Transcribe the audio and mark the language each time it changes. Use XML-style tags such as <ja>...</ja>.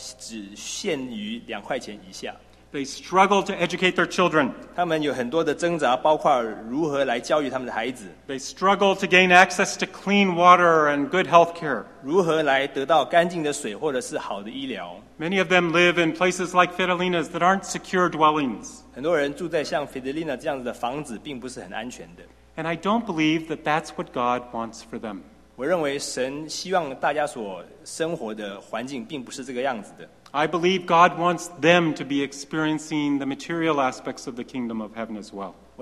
<zh>想想看你有没有办法每天的生活开销只限于2块钱以下。</zh> <en>They struggle to educate their children.</en> <zh>他们有很多的挣扎，包括如何来教育他们的孩子。</zh> <en>They struggle to gain access to clean water and good health care.</en> <zh>如何来得到干净的水或者是好的医疗。</zh> <en>Many of them live in places like Fidelina's that aren't secure dwellings.</en> <zh>很多人住在像Fidelina这样子的房子并不是很安全的。</zh> <en>And I don't believe that that's what God wants for them.</en> <zh>我认为神希望大家所生活的环境并不是这个样子的。</zh> <en>I believe God wants them to be experiencing the material aspects of the kingdom of heaven as well.</en>